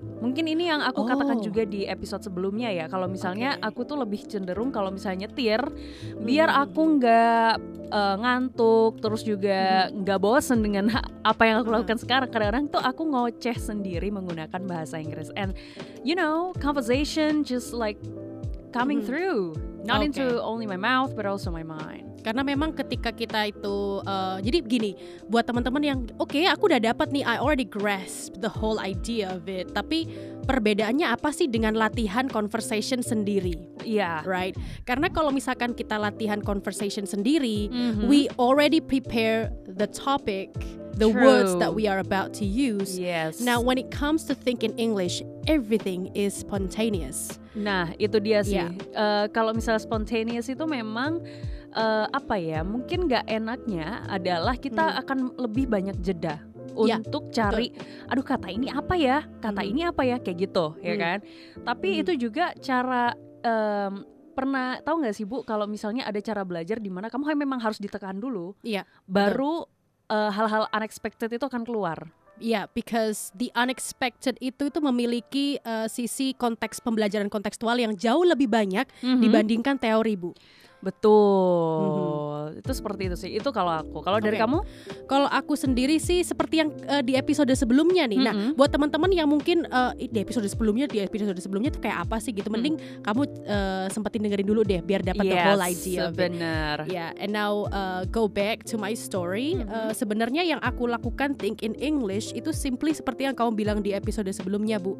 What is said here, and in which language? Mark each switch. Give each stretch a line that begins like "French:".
Indonesian: Mungkin ini yang aku katakan juga di episode sebelumnya ya. Kalau misalnya aku tuh lebih cenderung kalau misalnya nyetir biar aku enggak ngantuk, terus juga enggak bosan dengan apa yang aku lakukan sekarang. Kadang-kadang tuh aku ngoceh sendiri menggunakan bahasa Inggris.
English: And you know, conversation just like coming through. Not into only my mouth, but also my mind.
Indonesian: Karena memang ketika kita itu, jadi gini, buat teman-teman yang, aku udah dapat nih,
English: I already grasp the whole idea of it.
Indonesian: Tapi perbedaannya apa sih dengan latihan conversation sendiri?
English: Yeah. Right?
Indonesian: Karena kalau misalkan kita latihan conversation sendiri,
English: we already prepare the topic, the words that we are about to use. Yes. Now, when it comes to think in English, everything is spontaneous.
Indonesian: Nah, itu dia sih. Yeah. Kalau misalnya spontaneous itu memang mungkin nggak enaknya adalah kita akan lebih banyak jeda untuk cari, aduh kata ini apa ya, kata ini apa ya, kayak gitu, ya kan? Tapi itu juga cara, pernah tahu nggak sih Bu, kalau misalnya ada cara belajar di mana kamu memang harus ditekan dulu, baru hal-hal unexpected itu akan keluar.
English: Yeah, because the unexpected
Indonesian: itu memiliki sisi konteks pembelajaran kontekstual yang jauh lebih banyak dibandingkan teori, Bu. Betul. Itu seperti itu sih. Itu kalau aku. Kalau dari kamu? Kalau aku sendiri sih seperti yang di episode sebelumnya nih. Nah, buat teman-teman yang mungkin di episode sebelumnya itu kayak apa sih gitu. Mending kamu sempetin dengerin dulu deh biar dapat
English: the whole idea.
Indonesian: Benar.
English: Yeah, and now go back to my story.
Indonesian: Sebenarnya yang aku lakukan think in English itu simply seperti yang kamu bilang di episode sebelumnya, Bu.